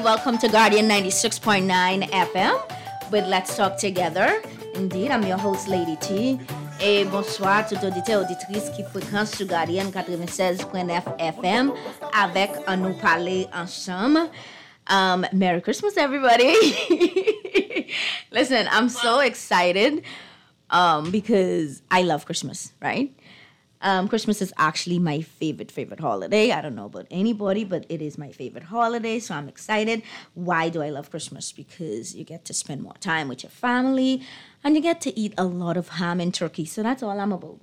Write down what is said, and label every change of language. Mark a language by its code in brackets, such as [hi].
[en] Welcome to Guardian 96.9 FM with Let's Talk Together. Indeed, I'm your host, Lady T. [fr] Et bonsoir à tout auditeur, auditrice qui fréquente sur Guardian 96.9 FM avec un nous parler ensemble. [en] Merry Christmas, everybody. Listen, I'm so excited because I love Christmas, right? Christmas is actually my favorite holiday. I don't know about anybody, but it is my favorite holiday, so I'm excited. Why do I love Christmas? Because you get to spend more time with your family, and you get to eat a lot of ham and turkey. So that's all I'm about.